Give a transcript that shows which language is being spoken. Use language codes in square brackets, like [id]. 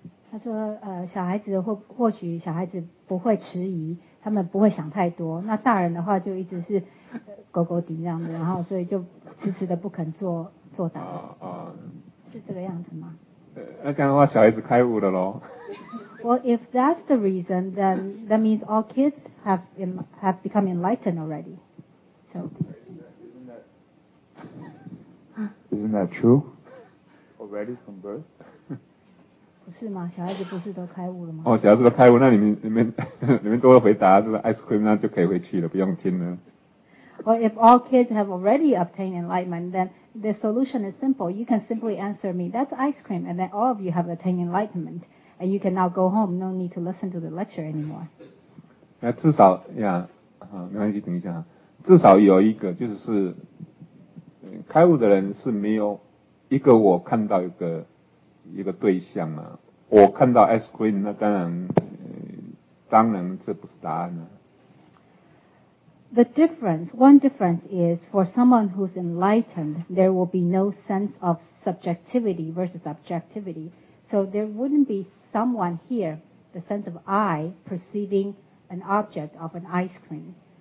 [zh] 他说，小孩子或许小孩子不会迟疑，他们不会想太多。那大人的话就一直是勾勾顶这样子，然后所以就迟迟的不肯作答。啊啊，是这个样子吗？那这样的话，小孩子开悟的喽。 [en] Well, if that's the reason, then that means all kids have become enlightened already. So, isn't that true? Already from birth? [zh] 不是吗？小孩子不是都开悟了吗？哦，小孩子都开悟，那你们多回答这个 ice cream， 那就可以回去了，不用听了。 [en] Well, if all kids have already obtained enlightenment, then the solution is simple. You can simply answer me, that's ice cream, and then all of you have attained enlightenment, and you can now go home, no need to listen to the lecture anymore. [zh] 那至少呀，没关系，等一下，至少有一个就是开悟的人是没有一个我看到一个对象啊，我看到 ice cream， 那当然这不是答案啊。 [en] The difference, one difference is for someone who's enlightened, there will be no sense of subjectivity versus objectivity. So there wouldn't be someone here, the sense of I, perceiving an object of an ice cream.